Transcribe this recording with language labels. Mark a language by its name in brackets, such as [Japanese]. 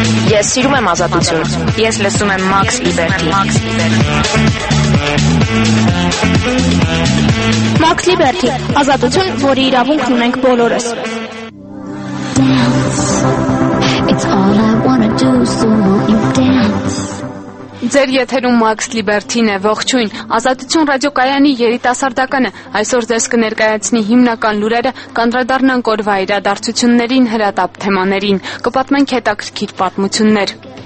[Armenian] Ես սիրում եմ ազատություն։ Ես լսում եմ Max Liberty. Max Liberty, ազատություն, որի իրավունքն ունենք բոլորս։ [English] It's all I wanna do, so won't you dance? [Armenian] Ձեր եթերում Max Liberty-ն է, ողջույն, ազատություն ռադիոկայանի երիտասարդականը, այսօր ձեզ կներկայացնի հիմնական լուրերը, կանդրադառնանք օրվա իրադարձություններին, հրատապ թեմաներին, կպատմենք հետաքրքիր պատմություններ.